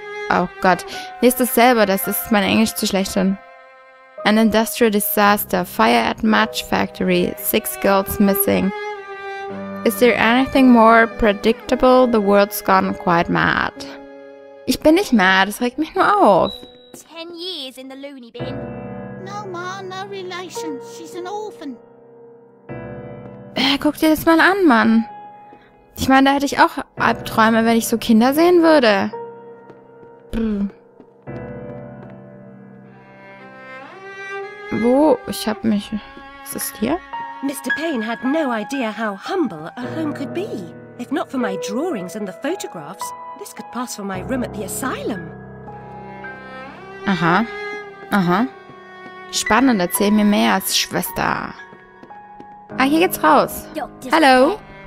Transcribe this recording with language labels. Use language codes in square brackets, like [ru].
[de] Oh Gott, lest es selber, das ist mein Englisch zu schlecht. [en] An industrial disaster, fire at match factory, 6 girls missing. Is there anything more predictable? The world's gone quite mad. [de] Ich bin nicht mad, das regt mich nur auf. [en] 10 years in the loony bin. No ma, no relation. She's an orphan. [de] Guck dir das mal an, Mann. Ich meine, da hätte ich auch Albträume, wenn ich so Kinder sehen würde. Wo? Ich hab mich... Was ist hier? [en] Mr. Payne had no idea how humble a home could be. If not for my drawings and the photographs, this could pass for my room at the asylum. Aha. Aha. [de] Spannend, erzähl mir mehr als Schwester. Ah, hier geht's raus. Hallo.